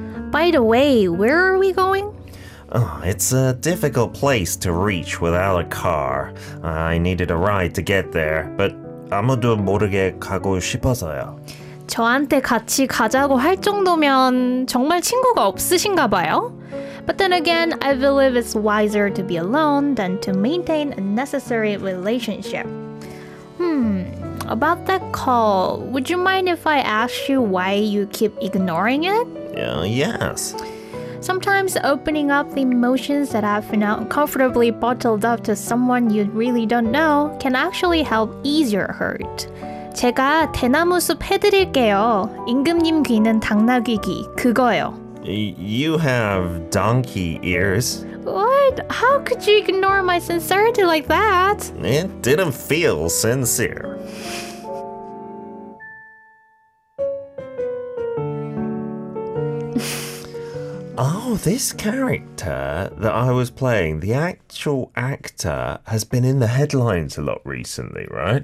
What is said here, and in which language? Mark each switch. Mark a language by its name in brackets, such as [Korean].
[English] By the way, where are we going? Oh, it's a difficult place to reach without a car. I needed a ride to get there, but [Korean] 아무도 모르게 가고 싶어서요. 저한테 같이 가자고 할 정도면 정말 친구가 없으신가 봐요? [English] But then again, I believe it's wiser to be alone than to maintain a necessary relationship. About that call, would you mind if I ask you why you keep ignoring it? Yes. Sometimes opening up the emotions that have been uncomfortably bottled up to someone you really don't know can actually help ease your hurt. [Korean] 제가 대나무숲 해드릴게요. 임금님 귀는 당나귀귀 그거요. [English] You have donkey ears. What? How could you ignore my sincerity like that? It didn't feel sincere. Oh, Oh, this character that I was playing, the actual actor, has been in the headlines a lot recently, right?